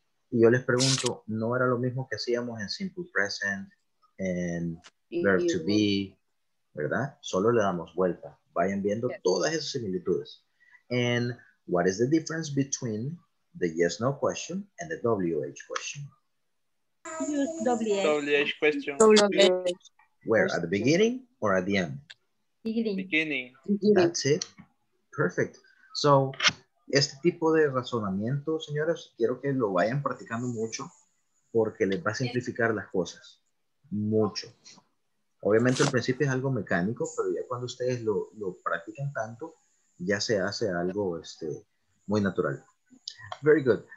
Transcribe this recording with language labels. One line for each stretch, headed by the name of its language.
Spanish: Y yo les pregunto, ¿no era lo mismo que hacíamos en simple present, en verb to be, verdad? Solo le damos vuelta. Vayan viendo todas esas similitudes.
English: And what is the difference between the yes-no question and the WH question? WH question. Where, at the beginning or at the end? Beginning. That's it. Perfect.
Spanish: So, este tipo de razonamiento, señores, quiero que lo vayan practicando mucho porque les va a simplificar las cosas. Mucho. Obviamente, al principio es algo mecánico, pero ya cuando ustedes lo practican tanto, ya se hace algo muy natural.
English: Very good.